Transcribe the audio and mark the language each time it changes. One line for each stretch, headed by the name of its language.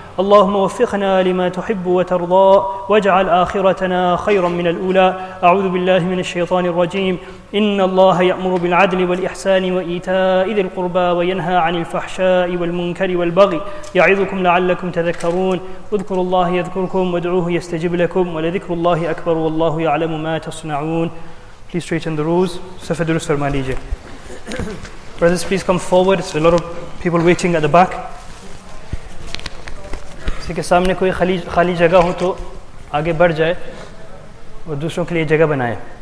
Arabic: اللهم وفقنا لما تحب وترضى واجعل آخرتنا خيرا من الأولى أعوذ بالله من الشيطان الرجيم إن الله يأمر بالعدل والإحسان وإيتاء ذي القربى وينهى عن الفحشاء والمنكر والبغي يعظكم لعلكم تذكرون اذكروا الله يذكركم وادعوه يستجب لكم ولذكر الله أكبر والله يعلم ما تصنعون
English: Please straighten the rows. Safadur Sarmanije. Brothers, please come forward. There's a lot of people waiting at the back.
Urdu: کہ سامنے کوئی خالی جگہ ہو تو آگے بڑھ جائے اور دوسروں کے لیے جگہ بنائے